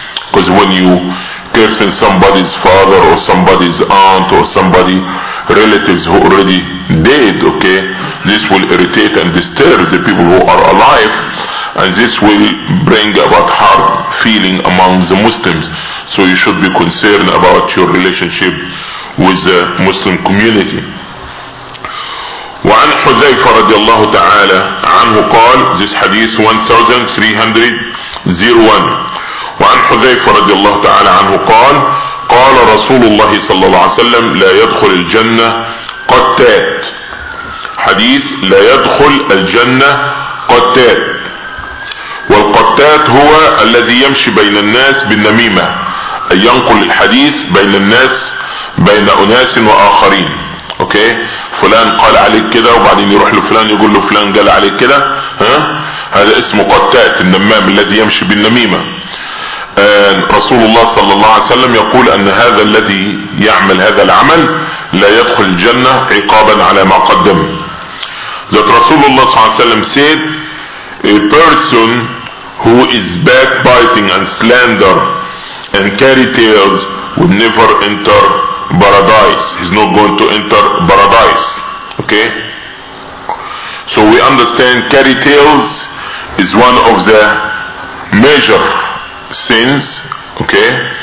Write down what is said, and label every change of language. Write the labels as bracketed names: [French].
[English] Because when you curse somebody's father or somebody's aunt or somebody relatives who already dead, okay, this will irritate and disturb the people who are alive, and this will bring about hard feeling among the Muslims. So you should be concerned about your relationship with the Muslim community. [Arabic] وعن حذيفة رضي الله تعالى عنه قال, [English] this hadith 1301. [Arabic] وعن حذيفة رضي الله تعالى عنه قال, قال رسول الله صلى الله عليه وسلم لا يدخل الجنة قتات. حديث لا يدخل الجنة قتات. والقتات هو الذي يمشي بين الناس بالنميمة, أي ينقل الحديث بين الناس, بين أناس وآخرين. أوكي, فلان قال عليك كده وبعدين يروح لفلان يقول له فلان قال عليك كده, ها, هذا اسمه قتات, النمام الذي يمشي بالنميمة. رسول الله صلى الله عليه وسلم يقول أن هذا الذي يعمل هذا العمل لا يدخل الجنة عقابا على ما قدم. ذات رسول الله صلى الله عليه وسلم [English] said, a person who is backbiting and slander and carry tales will never enter paradise. He's not going to enter paradise. Okay? So we understand carry tales is one of the major sins. Okay?